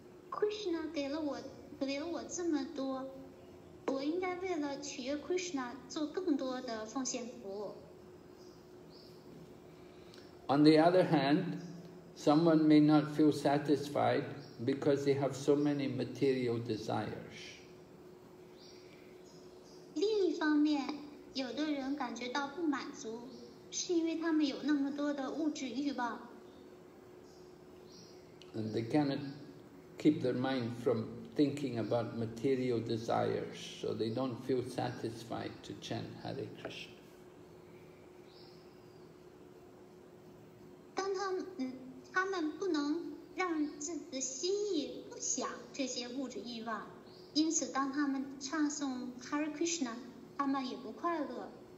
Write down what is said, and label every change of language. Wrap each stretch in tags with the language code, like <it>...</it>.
<zh>Krishna 给了我这么多。我应该为了取悦 Krishna 做更多的奉献服务。</zh> <en>On the other hand, someone may not feel satisfied because they have so many material desires.</en> <zh>另一方面，有的人感觉到不满足，是因为他们有那么多的物质欲望。</zh> <en>And they cannot keep their mind from thinking about material desires, so they don't feel satisfied to chant Hare Krishna.</en> <zh>当他们不能让自己的心意不想这些物质欲望，因此当他们唱诵 Hare Krishna, 他们也不快乐。</zh>